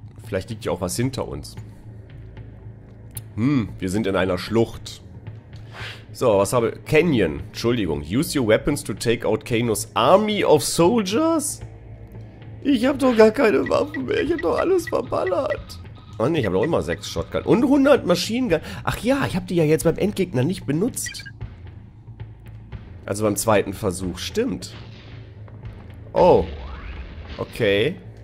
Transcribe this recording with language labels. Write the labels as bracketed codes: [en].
[de] Vielleicht liegt ja auch was hinter uns. Wir sind in einer Schlucht. So, was habe ich? Canyon. Entschuldigung. [en] Use your weapons to take out Kano's army of soldiers? [de] Ich habe doch gar keine Waffen mehr. Ich habe doch alles verballert. Oh ne, ich habe doch immer 6 Shotgun. Und 100 Maschinengun. Ach ja, ich habe die ja jetzt beim Endgegner nicht benutzt. Also beim zweiten Versuch. Stimmt. Oh. Okay.